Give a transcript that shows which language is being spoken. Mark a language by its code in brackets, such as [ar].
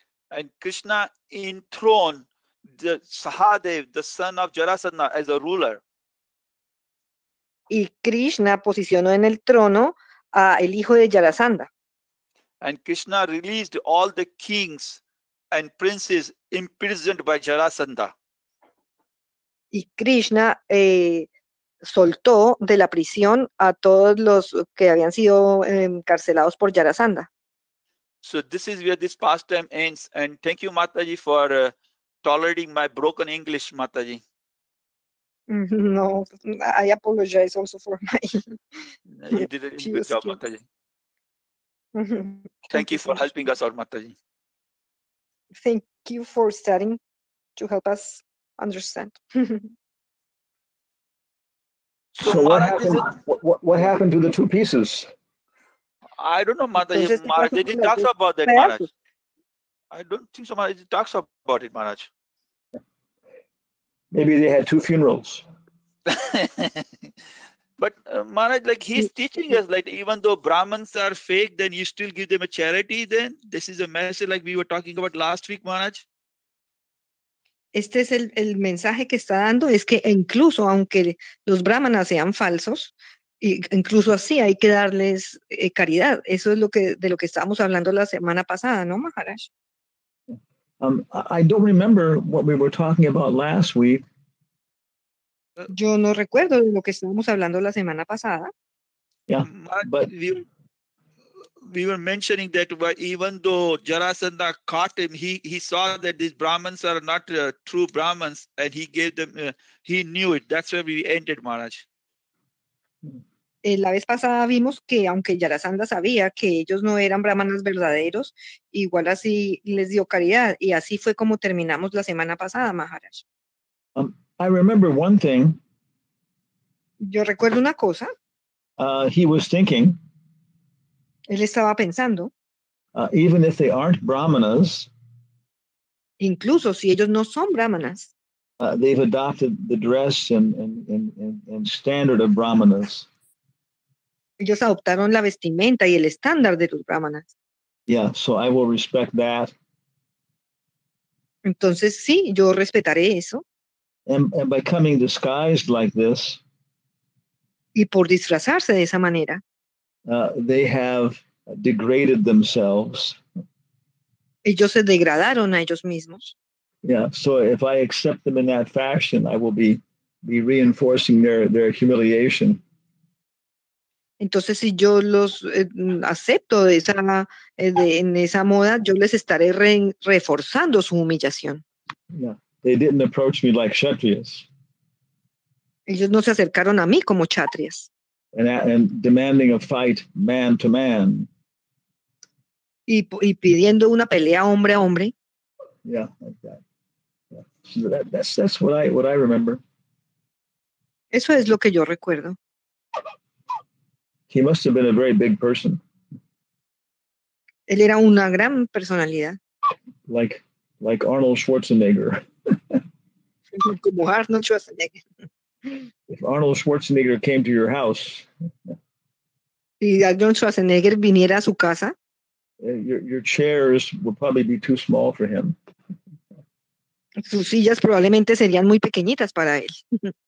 [en] And Krishna enthroned the Sahadev, the son of Jarasandha, as a ruler. [es] Y Krishna posicionó en el trono a el hijo de Jarasandha. [en] And Krishna released all the kings and princes imprisoned by Jarasandha. [es] Y Krishna soltó de la prisión a todos los que habían sido encarcelados por Jarasandha. [en] So this is where this pastime ends, and thank you, Mataji, for tolerating my broken English, Mataji. No, I apologize also for my... You did a good job, Mataji. Thank you for helping us out, Mataji. Thank you for studying to help us understand. So what happened to the two pieces? I don't know, Mataji. Maharaj, did he talk about that, Maharaj? I don't think so, Maharaj. He talks about it, Maharaj. Maybe they had two funerals. But Maharaj, like, he's teaching us, like, even though Brahmins are fake, then you still give them a charity, then? This is a message like we were talking about last week, Maharaj. [es] Este es el mensaje que está dando, es que incluso aunque los brahmanas sean falsos, incluso así hay que darles caridad. Eso es de lo que estábamos hablando la semana pasada, ¿no, Maharaj? [en] I don't remember what we were talking about last week. [es] Yo no recuerdo de lo que estábamos hablando la semana pasada. [en] Yeah, but we were mentioning that even though Jarasandha caught him, he saw that these Brahmins are not true Brahmins, and he gave them, he knew it. That's where we ended, Maharaj. [es] La vez pasada vimos que aunque Jarasandha sabía que ellos no eran Brahmanas verdaderos, igual así les dio caridad, y así fue como terminamos la semana pasada, Maharaj. [en] I remember one thing. [es] Yo recuerdo una cosa. [en] He was thinking. [es] Él estaba pensando. [en] Even if they aren't Brahmanas. [es] Incluso si ellos no son Brahmanas. [en] They've adopted the dress and standard of Brahmanas. [es] Ellos adoptaron la vestimenta y el estándar de los Brahmanas. [en] Yeah, so I will respect that. [es] Entonces sí, yo respetaré eso. [en] And by coming disguised like this, [es] y por disfrazarse de esa manera, [en] they have degraded themselves. [es] Ellos se degradaron a ellos mismos. [en] Yeah, so if I accept them in that fashion, I will be reinforcing their humiliation. [es] Entonces, si yo los acepto de esa, en esa moda, yo les estaré reforzando su humillación. [en] Yeah. They didn't approach me like kshatriyas. [es] Ellos no se acercaron a mí como kshatriyas. [en] And demanding a fight man to man. [es] Y pidiendo una pelea hombre a hombre. [en] Yeah, like that. Yeah. So that's what I remember. [es] Eso es lo que yo recuerdo. [en] He must have been a very big person. [es] Él era una gran personalidad. [en] Like Arnold Schwarzenegger. [es] Como Arnold Schwarzenegger. [en] If Arnold Schwarzenegger came to your house, [es] si Arnold Schwarzenegger viniera a su casa, [en] your chairs would probably be too small for him. [es] Sus sillas probablemente serían muy pequeñitas para él.